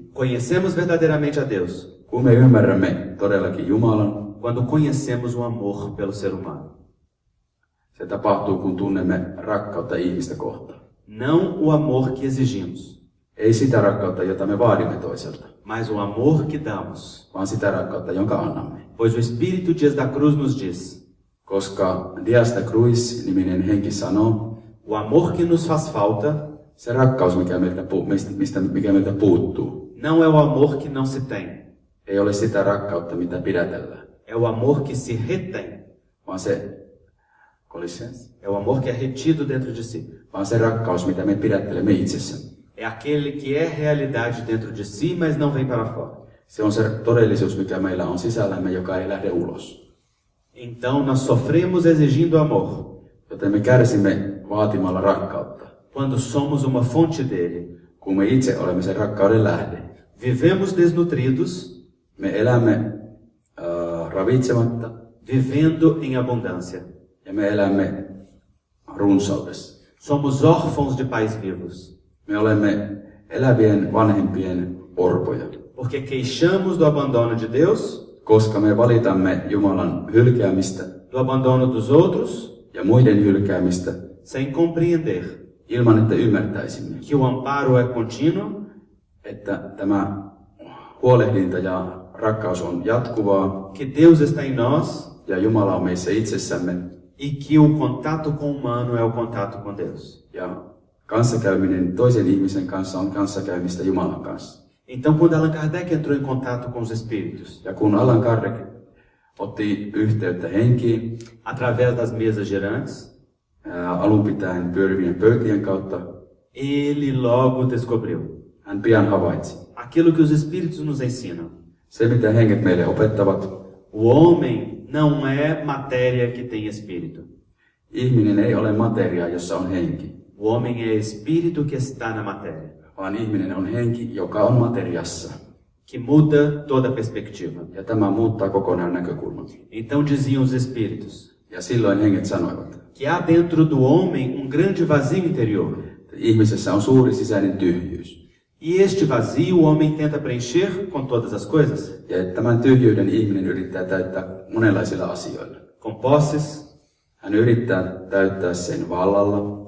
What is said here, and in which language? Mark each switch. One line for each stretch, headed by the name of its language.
Portuguese: Conhecemos verdadeiramente a Deus.
Finnish: Kun me ymmärrämme todellakin Jumalan.
Portuguese: Quando conhecemos o amor pelo ser humano.
Finnish: Se tapahtuu, kun tunnemme rakkautta ihmistä kohtaan.
Portuguese: Não o amor que exigimos.
Finnish: Ei sitä rakkautta, jota me vaadimme toiselta.
Portuguese: Mas o amor que damos.
Finnish: Vaan sitä rakkautta, jonka annamme.
Portuguese: Pois o Espírito Dias da Cruz nos diz.
Finnish: Koska Dias da Cruz-niminen henki sanoo.
Portuguese: O amor que nos faz falta.
Finnish: Se rakkaus, mikä meiltä, mikä meiltä puuttuu.
Portuguese: Não é o amor que não se tem.
Finnish: Ei ole sitä rakkautta, mitä pidätellään.
Portuguese: É o amor que se retém.
Finnish: Vaan se,
Portuguese: com licença. É o amor que é retido dentro de si.
Finnish: Vaan se rakkaus, mitä me pidättelemme itsessämme.
Portuguese: É aquele que é realidade dentro de si, mas não vem para fora.
Finnish: Se on se todellisuus, mikä meillä on sisällämme, joka ei lähde ulos.
Portuguese: Então nós sofremos exigindo amor.
Finnish: Joten me kärsimme vaatimalla rakkautta.
Portuguese: Quando somos uma fonte dele.
Finnish: Kun me itse olemme sen rakkauden lähde.
Portuguese: Vivemos desnutridos.
Finnish: Me elämme ravitsematta.
Portuguese: Vivendo em abundância.
Finnish: Ja me elämme runsaudessa.
Portuguese: Somos órfãos de pais vivos.
Finnish: Me olemme elävien vanhempien orpoja.
Portuguese: Porque queixamos do abandono de Deus.
Finnish: Koska me valitamme Jumalan hylkäämistä.
Portuguese: Do abandono dos outros.
Finnish: Ja muiden hylkäämistä.
Portuguese: Sem compreender.
Finnish: Ilman, että ymmärtäisimme.
Portuguese: Que o amparo é contínuo.
Finnish: Että tämä huolehdinta ja rakkaus on jatkuvaa.
Portuguese: Que Deus está em nós.
Finnish: Ja Jumala on meissä itsessämme.
Portuguese: E que o contato com o humano é o contato com Deus.
Finnish: Ja kanssakäyminen toisen ihmisen kanssa on kanssakäymistä Jumalan kanssa.
Portuguese: Então quando Allan Kardec entrou em contato com os espíritos.
Finnish: Ja kun Allan Kardec otti yhteyttä henkiin.
Portuguese: Através das mesas girantes.
Finnish: Alun pitäen pyörivien pöytien kautta.
Portuguese: Ele logo descobriu.
Finnish: Hän pian havaitsi.
Portuguese: Aquilo que os espíritos nos ensinam.
Finnish: Se mitä henget meille opettavat.
Portuguese: O homem não é matéria que tem espírito.
Finnish: Ihminen ei ole materiaa, jossa on henki.
Portuguese: O homem é espírito que está na matéria.
Finnish: Vaan ihminen on henki, joka on materiassa.
Portuguese: Que muda toda a perspectiva.
Finnish: Ja tämä muuttaa kokonaan näkökulman.
Portuguese: Então diziam os espíritos.
Finnish: Ja silloin henget sanoivat.
Portuguese: Que há dentro do homem grande vazio interior.
Finnish: Ihmisessä on suuri sisäinen tyhjyys.
Portuguese: E este vazio o homem tenta preencher com todas as coisas.
Finnish: Ja tämän tyhjyyden ihminen yrittää täyttää monenlaisilla asioilla.
Portuguese: Com posses.
Finnish: Hän yrittää täyttää sen vallalla.